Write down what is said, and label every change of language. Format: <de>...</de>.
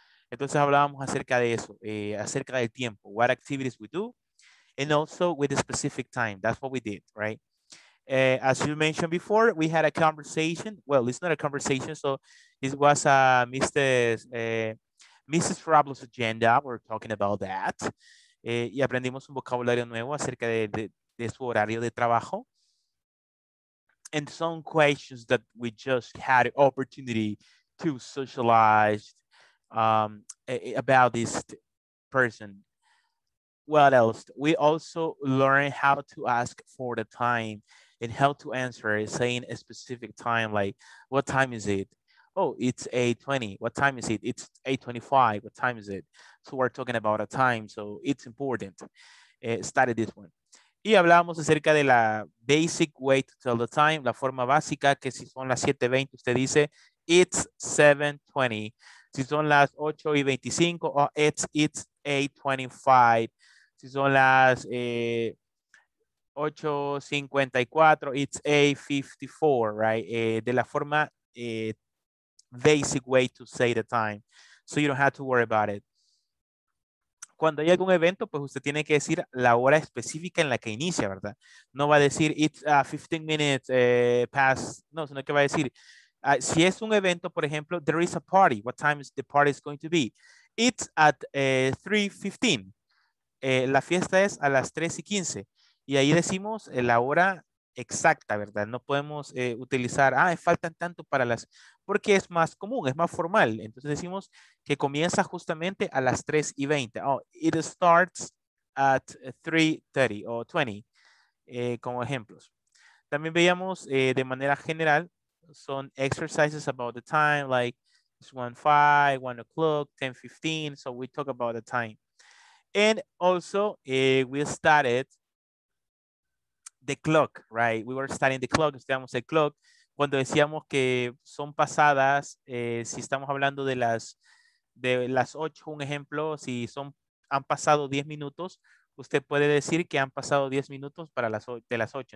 <es>Entonces hablábamos acerca de eso, acerca del tiempo,</es> <en>what activities we do, and also with a specific time. That's what we did, right? As you mentioned before, we had a conversation. Well, it's not a conversation, so it was Mrs. Farablo's agenda. We're talking about that.</en> <es>Y aprendimos un vocabulario nuevo acerca de su horario de trabajo.</es> <en>And some questions that we just had opportunity to socialize about this person. What else? We also learn how to ask for the time and how to answer saying a specific time, like what time is it? Oh, it's 8:20. What time is it? It's 8:25. What time is it? So we're talking about a time, so it's important. Study this one.</en> <es>Y hablamos acerca de la</es> <en>basic way to tell the time,</en> <es>la forma básica, que si son las 7:20, usted dice</es> <en>it's 7:20.</en> <es>Si son las 8:25,</es> <en>or it's 8:25.</en> <es>Si son las 8:54,</es> <en>it's 8:54, right?</en> <es>De la forma</es> <en>basic way to say the time. So you don't have to worry about it.</en> <es>Cuando hay algún evento, pues usted tiene que decir la hora específica en la que inicia, ¿verdad? No va a decir</es> <en>it's 15 minutes past.</en> <es>No, sino que va a decir... si es un evento, por ejemplo,</es> <en>there is a party. What time is the party is going to be? It's at 3:15.</en> <es>La fiesta es a las 3:15. Y ahí decimos la hora exacta, ¿verdad? No podemos utilizar, faltan tanto para las... Porque es más común, es más formal. Entonces decimos que comienza justamente a las 3:20.</es> <en>Oh, it starts at 3:30 o 20,</en> <es>como ejemplos. También veíamos de manera general, son</es> <en>exercises about the time, like it's 1:05, 1 o'clock, 10:15. So we talk about the time. And also we started the clock, right? We were starting the clock,</en> <es>estudiamos el clock. Cuando decíamos que son pasadas, si estamos hablando de las 8, un ejemplo, si son han pasado 10 minutos, usted puede decir que han pasado 10 minutos para las de las 8.</es>